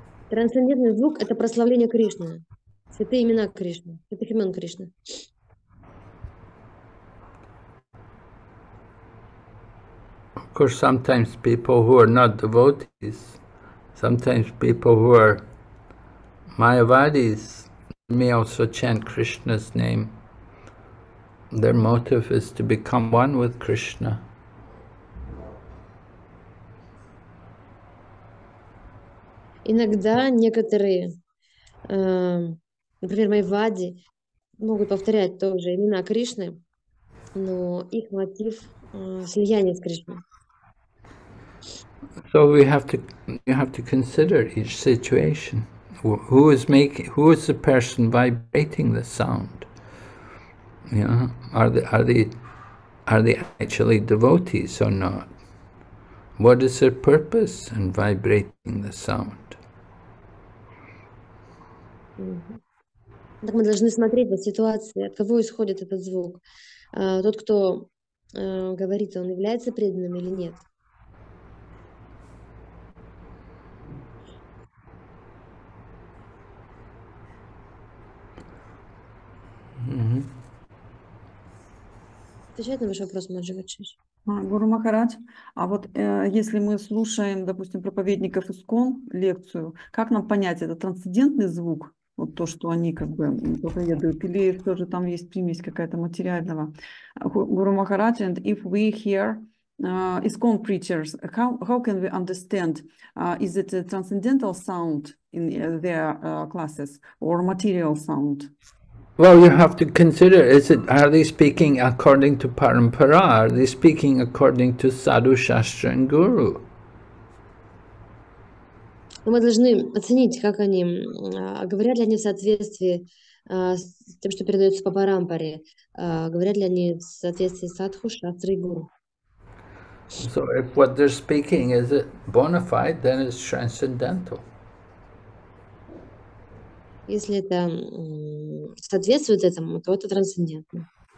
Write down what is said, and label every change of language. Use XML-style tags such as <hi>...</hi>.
<ru>Трансцендентный звук – это прославление Кришны, святые имена Кришны, святых имен Кришны.</ru> <en>Of course, sometimes people who are not devotees, sometimes people who are Mayavadis may also chant Krishna's name. Their motive is to become one with Krishna.</en> <ru>Иногда некоторые, например, майвади, могут повторять тоже имена Кришны, но их мотив слияние с Кришной.</ru> <en>So we have to consider each situation. Who is the person vibrating the sound? You know, are they actually devotees or not? What is their purpose in vibrating the sound?</en> <ru>Так мы должны смотреть на ситуацию, от кого исходит этот звук. Тот, кто говорит, он является преданным или нет? Отвечает на ваш вопрос, Маджи-Вачиш. Гуру Махарадж, а вот если мы слушаем, допустим, проповедников ИСККОН лекцию, как нам понять, это трансцендентный звук? Вот то, что они как бы проповедуют, или тоже там есть примесь какая-то материального.</ru> <en>Гуру Махарадж, and if we hear ISKCON preachers, how can we understand, is it a transcendental sound in their classes or material sound? Well, you have to consider, are they speaking according to Parampara? Are they speaking according to Sadhu, Shastra and Guru?</en> <ru>Мы должны оценить, как они говорят ли они в соответствии с тем, что передается по парампаре, говорят ли они в соответствии с садху, шастрой, гуру.</ru> <en>So if what they're speaking is it bona fide, then it's transcendental.</en> <ru>Если это соответствует этому, то это трансцендентно.</ru>